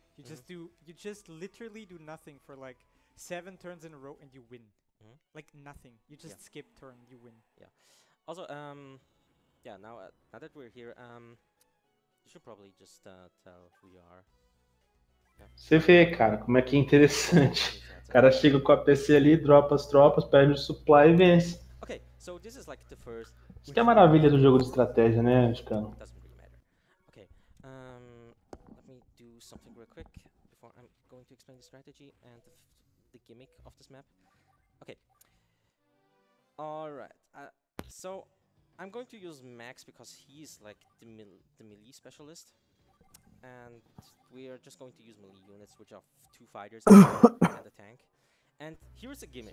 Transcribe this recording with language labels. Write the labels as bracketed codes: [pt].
[en] You just do, you just literally do nothing for like 7 turns in a row and you win. Like nothing. You just skip turn, you win. Yeah. Also, yeah, now that we're here, you should probably just tell who you are. Yeah. [pt] Você vê, cara, como é que é interessante. O cara chega com a PC ali, dropa as tropas, perde o supply e vence. [en] Okay, so this is like the first. [pt] Isso que é a maravilha do jogo de estratégia, né, Chicano? [en] Okay. Let me do something real quick before I'm going to explain the strategy and the gimmick of this map. Okay. All right. So I'm going to use Max because he's like the melee specialist, and we are just going to use melee units, which are two fighters and a tank. And here's a gimmick.